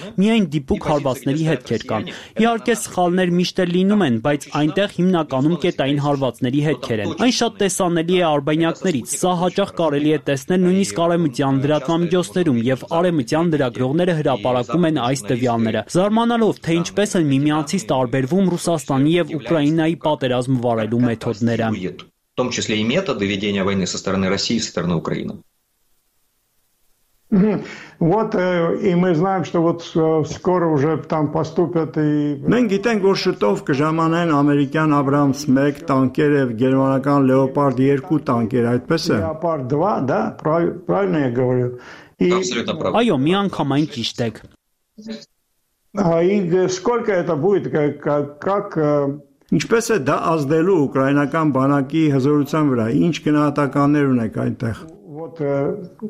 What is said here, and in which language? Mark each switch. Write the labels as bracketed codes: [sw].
[hy] միայն դիպուկ հարվածների հետքեր կան։ Իհարկե, սխալներ միշտ լինում են, բայց այնտեղ հիմնականում կետային հարվածների հետքեր են։ Այն շատ տեսանելի է արբանյակներից, սա հաճախ կարելի է տեսնել նույնիսկ արևմտյան լրատվամիջոցներում, եւ արևմտյան լրագրողները հրապարակում են այս տվյալները, զարմանալով, թե ինչպես են միմյանցից տարբերվում Ռուսաստանի եւ Ուկրաինայի պատերազմ վարելու մեթոդները, [ru] в том числе и методы ведения войны со стороны России и со стороны Украины. Вот и мы знаем, что вот скоро уже там поступят и [hy] Մենք գիտենք, որ շտով կժամանեն ամերիկյան Abrams 1 տանկեր եւ գերմանական Leopard 2 տանկեր, այդպես է։ [ru] Leopard 2, да, правильно я говорю. И [hy] Այո, մի անգամ այն ճիշտ է։ [ru] Այի сколько это будет, как [hy] Ինչպես է դա ազդելու ուկրաինական բանակի հզորության վրա, ինչ գնահատականներ ունեք այնտեղ։